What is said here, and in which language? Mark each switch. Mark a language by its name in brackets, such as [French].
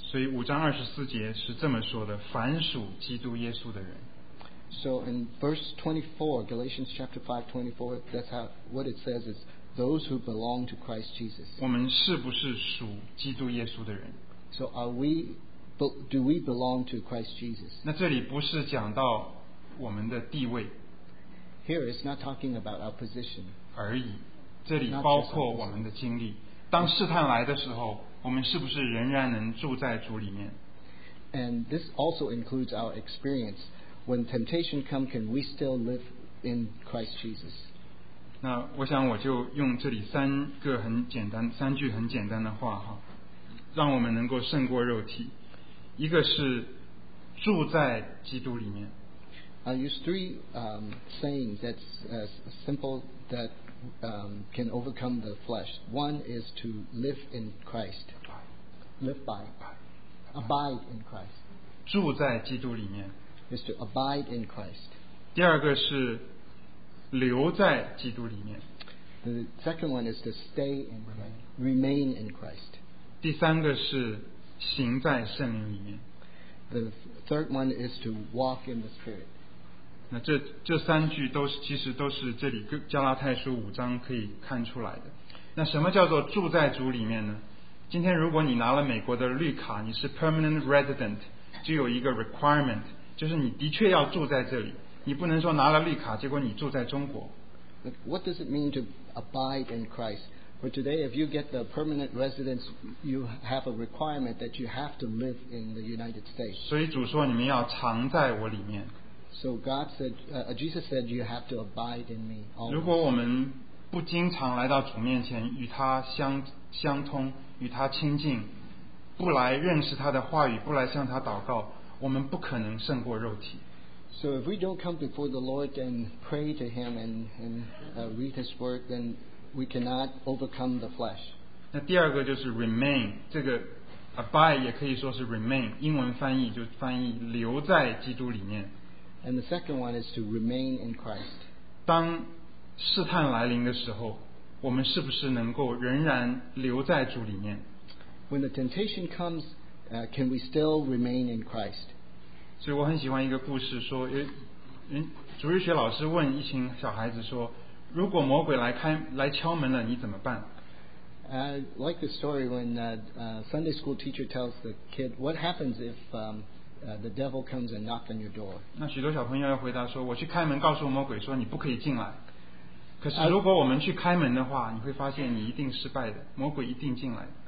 [Chinese] 所以五章二十四节是这么说的：凡属基督耶稣的人。 [English] So in verse 24, Galatians chapter 5:24, that's how what it says is those who belong to Christ Jesus. [Chinese] 我们是不是属基督耶稣的人 [English] ？So are we? Do we belong to Christ Jesus? [Chinese] 那这里不是讲到我们的地位。 [English] Here it's not talking about our position. [Chinese] 而已，这里包括我们的经历。当试探来的时候，我们是不是仍然能住在主里面？ [English] And this also includes our experience. When temptation comes, can we still live in Christ Jesus? [Chinese] 那我想我就用这里三个很简单，三句很简单的话哈，让我们能够胜过肉体。一个是住在基督里面。 [English] I use three sayings that's simple that can overcome the flesh. One is to live in Christ. Live by. Abide in Christ. [Chinese] 住在基督里面 [English] is to abide in Christ. [Chinese] 第二个是留在基督里面 [English] The second one is to stay in Christ. Remain in Christ. [Chinese] 第三个是行在圣灵里面 [English] The third one is to walk in the Spirit. [Chinese] 那 这三句都是其实都是这里加拉太书五章可以看出来的。那什么叫做住在主里面呢？今天如果你拿了美国的绿卡，你是 permanent resident， 就有一个 requirement， 就是你的确要住在这里。你不能说拿了绿卡，结果你住在中国。 [English] What does it mean to abide in Christ? For today, if you get the permanent residence, you have a requirement that you have to live in the United States. [Chinese] 所以主说你们要常在我里面。 [English] So God said, Jesus said, you have to abide in me. [Chinese] 如果我们不经常来到主面前，与他相通，与他亲近，不来认识他的话语，不来向他祷告，我们不可能胜过肉体。 [English] So if we don't come before the Lord and pray to Him and read His Word, then we cannot overcome the flesh. [Chinese] 那第二个就是 remain， 这个 abide 也可以说是 remain， 英文翻译就翻译留在基督里面。 [English] And the second one is to remain in Christ. [Chinese] 当试探来临的时候，我们是不是能够仍然留在主里面？ [English] When the temptation comes, can we still remain in Christ? [Chinese] 所以我很喜欢一个故事，说，主日学老师问一群小孩子说，如果魔鬼来开来敲门了，你怎么办？ [English] Like the story when a Sunday school teacher tells the kid, what happens if the devil comes and knocks on your door? [Chinese] 那许多小朋友要回答说，我去开门告诉魔鬼说你不可以进来。可是如果我们去开门的话，你会发现你一定失败的，魔鬼一定进来。